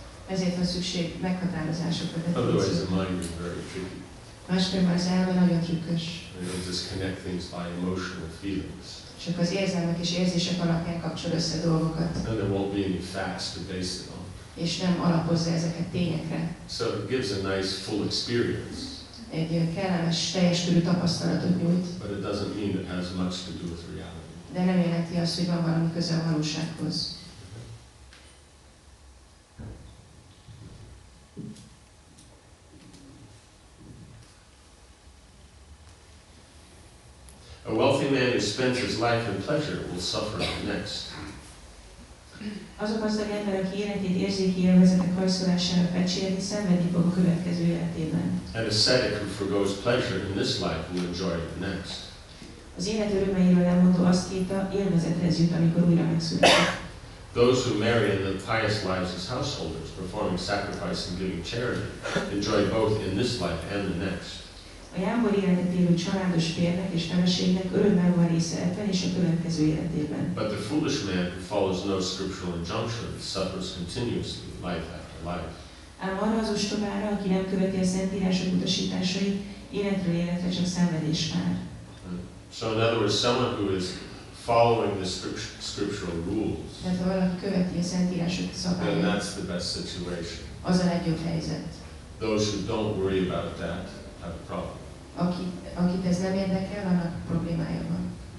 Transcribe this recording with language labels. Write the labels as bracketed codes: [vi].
[hu] Ezért van szükség meghatározásokra. [en] Otherwise the mind is very tricky. [hu] Máskor már az elme nagyon trükkös. [en] You just connect things by emotional feelings. [hu] Csak az érzelmek és érzések alapján kapcsol össze dolgokat. [en] And there won't be any facts to base it on. [hu] És nem alapozza ezeket tényekre. [en] So it gives a nice full experience. [hu] Egy kellemes, teljes körű tapasztalatot nyújt. [en] But it doesn't mean it has much to do with reality. [hu] De nem jelenti azt, hogy van valami köze a valósághoz. [en] A wealthy man who spends his life in pleasure will suffer next. [hu] Azok az ember, aki életét érzéki élvezetek hajszolására fecsérni, szenvedni fog a következő életében. [en] An ascetic who forgoes pleasure in this life will enjoy it next. [hu] Az élet örömeiről lemondó aszkéta élvezethez jut, amikor újra megszületik. [en] Those who marry in the pious lives as householders, performing sacrifice and giving charity, enjoy both in this life and the next. [hu] A jámbor életet élő családos férnek és feleségnek örömmel van része ebben és a következő életében. [en] But the foolish man who follows no scriptural injunction suffers continuously life after life. [hu] Ám arra az ostobára, aki nem követi a szentírások utasításait, életről életre csak szenvedés vár. [en] So in other words, someone who is following the scriptural rules, [hu] tehát ha valaki követi a szentírások szabályait, [en] then that's the best situation. [hu] Az a legjobb helyzet. [en] Those who don't worry about that, have a problem. [hu] Akit ez nem érdekel, annak problémája van.